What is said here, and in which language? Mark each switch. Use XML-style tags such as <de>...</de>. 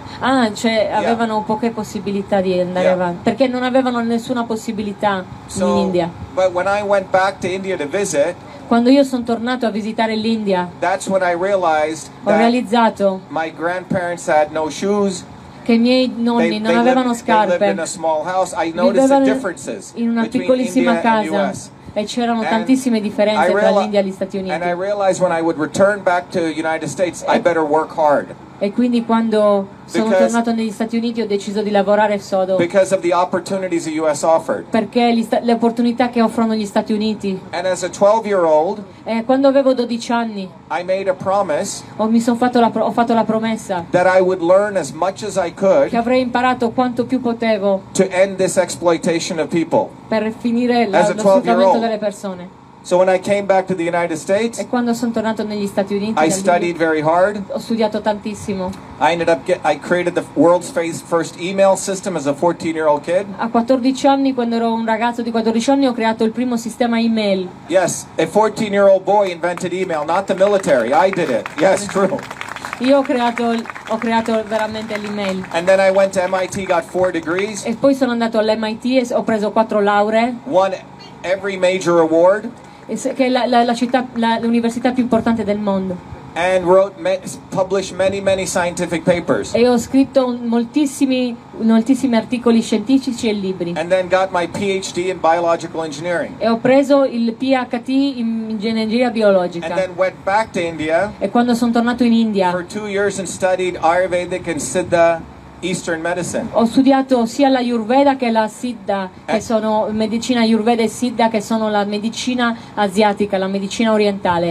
<it>Avevano poche possibilità di andare avanti perché non avevano nessuna possibilità in India.</it> <en>But when I went back to India to visit,</en> <it>quando io sono tornato a visitare l'India,</it> <en>that's when I realized</en> <it>ho realizzato</it> <en>that my grandparents had no shoes,</en> <it>che i miei nonni non avevano scarpe.</it> <en>They lived in a small house. I noticed the differences</en> <it>in una piccolissima casa. E c'erano tantissime differenze tra l'India e gli Stati Uniti.</it> <en>And I realized when I would return back to the United States, I better work hard.</en> <it>E quindi quando sono tornato negli Stati Uniti ho deciso di lavorare sodo.</it> <en>Because of the opportunities the US offered.</en> <it>Perché le opportunità che offrono gli Stati Uniti.</it> <en>And as a 12-year-old,</en> <it>e quando avevo 12 anni,</it> <en>I made a promise</en> <it>ho fatto la promessa</it> <en>that I would learn as much as I could,</en> <it>che avrei imparato quanto più potevo,</it> <en>to end this exploitation of people.</en> <it>Per finire lo sfruttamento delle persone.</it> <en>So when I came back to the United States,</en> <it>e quando sono tornato negli Stati Uniti,</it> <en>I studied very hard.</en> <it>Ho studiato tantissimo.</it> <en>I created the world's first email system as a 14-year-old kid.</en> <it>A 14 anni, quando ero un ragazzo di 14 anni, ho creato il primo sistema email.</it> <en>Yes, a 14-year-old boy invented email, not the military. I did it. Yes, true.</en> <it>Io ho creato veramente l'email.</it> <en>And then I went to MIT, got 4 degrees.</en> <it>E poi sono andato all'MIT e ho preso 4 lauree.</it> <en>One every major award.</en> <it>Che è l'università più importante del mondo.</it> <en>And published many scientific papers.</en> <it>E ho scritto moltissimi articoli scientifici e libri.</it> <en>And then got my PhD in biological engineering.</en> <it>E ho preso il PhD in ingegneria biologica.</it> <en>And then went back to India.</en> <it>E quando sono tornato in India.</it> <en>For 2 years and studied Ayurvedic and Siddha. Eastern medicine.</en> <it>Ho studiato sia la Ayurveda che la Siddha, che sono medicina Ayurveda e Siddha, che sono la medicina asiatica, la medicina orientale.</it>